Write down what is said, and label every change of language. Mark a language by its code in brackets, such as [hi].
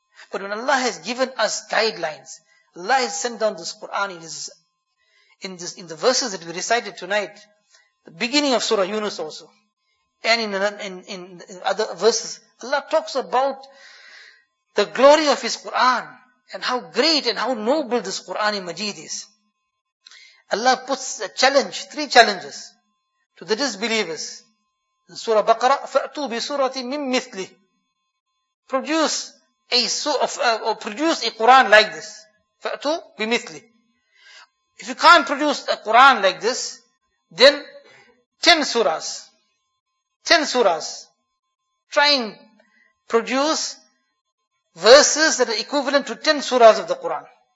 [en] But when Allah has given us guidelines, Allah has sent down this Quran in the verses that we recited tonight, the beginning of Surah Yunus also, and in other verses, Allah talks about the glory of His Quran and how great and how noble this Quran Majeed is. Allah puts a challenge, three challenges to the disbelievers. In Surah Baqarah, [ar] فَأْتُوا بِسُورَةٍ مِّن مِثْلِهِ. [en] Produce a Quran like this. [ar] فَأْتُوا بِمِثْلِهِ. [en] If you can't produce a Quran like this, then 10 surahs, try and produce verses that are equivalent to 10 surahs of the Quran.